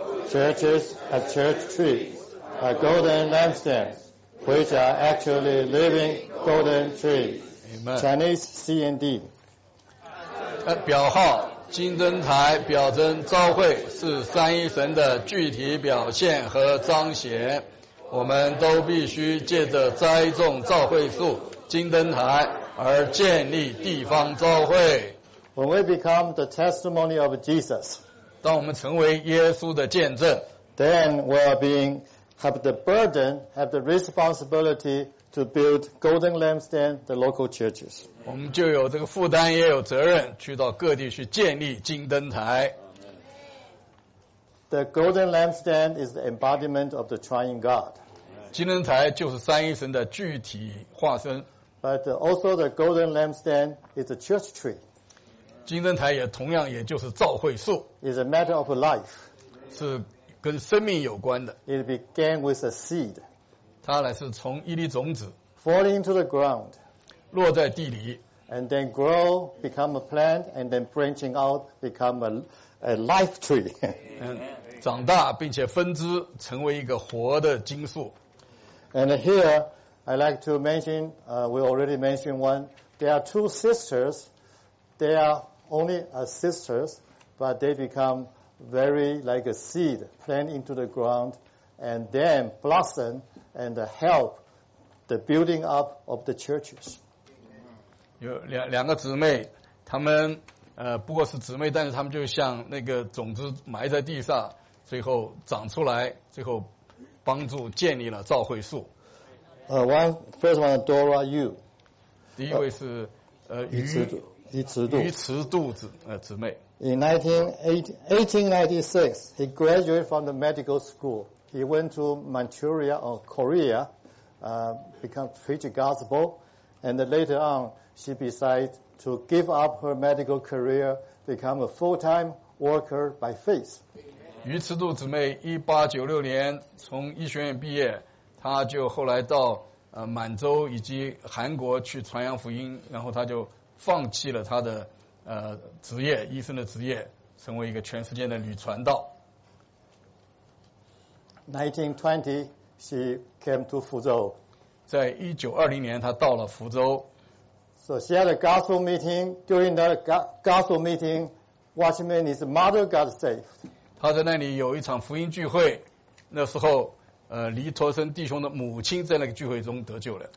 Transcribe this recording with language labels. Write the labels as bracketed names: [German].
[English] Churches are church trees, a golden lampstand, which are actually living golden trees. Amen. Chinese C and D. [Chinese] 表号金灯台表征召会是三一神的具体表现和彰显。我们都必须借着栽种召会树金灯台而建立地方召会。 [English] When we become the testimony of Jesus, [Chinese] 当我们成为耶稣的见证 [English] ，then we are being have the burden, have the responsibility to build golden lampstand the local churches。 [Chinese] 我们就有这个负担，也有责任，去到各地去建立金灯台。 [English] The golden lampstand is the embodiment of the triune God。 [Chinese] 金灯台就是三一神的具体化身。 [English] But also the golden lampstand is a church tree。 [Chinese] 金灯台也同样也就是召会树 [English] is a matter of life， [Chinese] 是跟生命有关的。 [English] It began with a seed， [Chinese] 它乃是从一粒种子 [English] falling into the ground， [Chinese] 落在地里 [English] and then grow become a plant and then branching out become a life tree， [Chinese] 长大并且分枝成为一个活的金树。 [English] And here I like to mention we already mentioned one， there are two sisters， they areOnly as sisters, but they become very like a seed planted into the ground and then blossom and help the building up of the churches. [Chinese] 有两个姊妹，她们不过是姊妹，但是她们就像那个种子埋在地上，最后长出来，最后帮助建立了召会树。 [English] First one, Dora Yu. [Chinese] 第一位是鱼。于慈度子姊妹。 [English] In 1896, he graduated from the medical school. He went to Manchuria or Korea, become preach gospel, and later on, she decided to give up her medical career, become a full-time worker by faith. [Chinese] 于慈度姊妹1896年从医学院毕业，她就后来到满洲以及韩国去传扬福音，然后她就放弃了他的职业，医生的职业，成为一个全世界的旅传道。 [English] 1920, she came to 福州。 [Chinese] 在1920年，她到了福州。 [English] So she had a gospel meeting. During the gospel meeting, Watchman is mother got saved. [Chinese] 她在那里有一场福音聚会，那时候黎陀森弟兄的母亲在那个聚会中得救了。